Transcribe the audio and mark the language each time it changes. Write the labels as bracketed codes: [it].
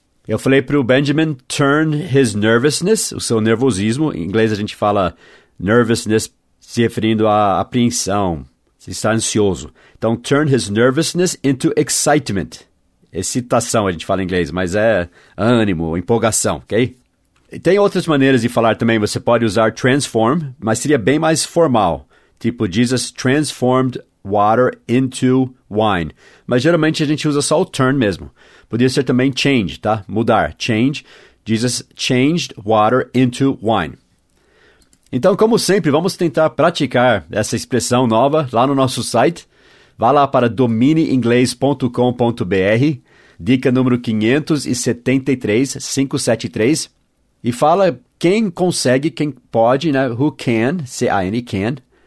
[pt] Eu falei para o Benjamin, [en] turn his nervousness, [pt] o seu nervosismo. Em inglês a gente fala nervousness, se referindo à apreensão, se está ansioso. Então, [en] turn his nervousness into excitement. [pt] Excitação a gente fala em inglês, mas é ânimo, empolgação, ok? E tem outras maneiras de falar também, você pode usar transform, mas seria bem mais formal. Tipo, [en] Jesus transformed water into wine. [pt] Mas geralmente a gente usa só o turn mesmo. Podia ser também change, tá? Mudar. Change. [en] Jesus changed water into wine. [pt] Então, como sempre, vamos tentar praticar essa expressão nova lá no nosso site. Vá lá para domineinglês.com.br, dica número 573, 573. E fala quem consegue, quem pode, né? [en] Who can, C-A-N, can.